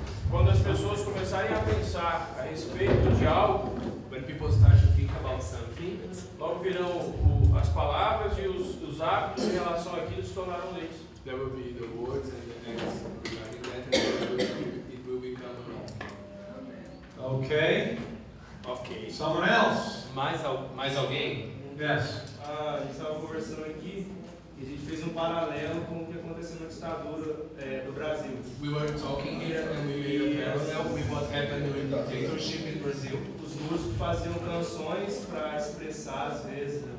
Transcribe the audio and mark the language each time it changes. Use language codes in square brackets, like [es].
[pt] Quando as pessoas começarem a pensar a respeito de algo, [en] when people start to think about something, [pt] logo virão as palavras e os hábitos em relação àquilo se tornarão leis. [en] There will be the words and the acts regarding that, and it will become a law. Okay. Okay. Someone else. [pt] Mais alguém? [en] Yes. [pt] A gente estava conversando aqui e a gente fez um paralelo com o que aconteceu na ditadura do Brasil. [en] We were talking here and we made a parallel with what happened during the dictatorship in Brazil. [pt] Os músicos faziam canções para expressar, às vezes,